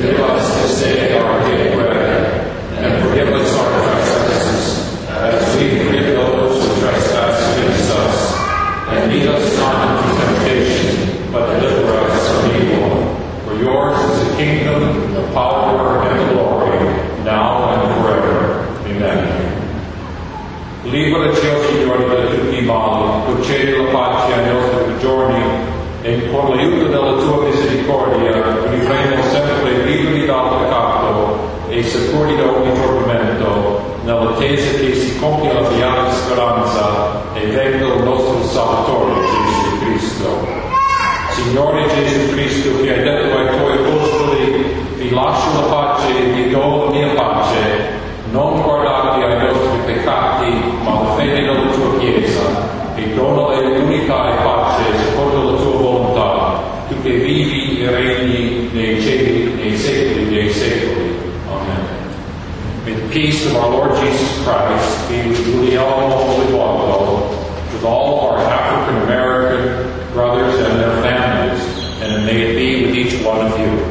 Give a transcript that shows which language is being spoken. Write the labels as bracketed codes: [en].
[en] Give us this day our daily bread, and forgive us our trespasses, as we forgive those who trespass against us. And lead us not into temptation, but deliver us from evil. For yours is the kingdom, the power, and the glory, now and forever. Amen. [it] Liberaci, O Signore, da tutti i mali, concedi la pace ai nostri giorni, e con l'aiuto della tua misericordia vivremo sempre liberi dal peccato e sicuri da ogni tormento, nell'attesa che si compia la beata speranza e venga il nostro Salvatore Gesù Cristo. Signore Gesù Cristo, che hai detto ai tuoi apostoli: vi lascio la pace e vi do la mia pace, non guardate ai nostri peccati, ma la fede della tua Chiesa, e donale l'unità e pace secondo la tua volontà, tu che vivi e regni nei cieli, nei secoli dei secoli. Amen. [en] May the peace of our Lord Jesus Christ be with Giuliano Olivuoto, with all our African American brothers and their families, and may it be with each one of you.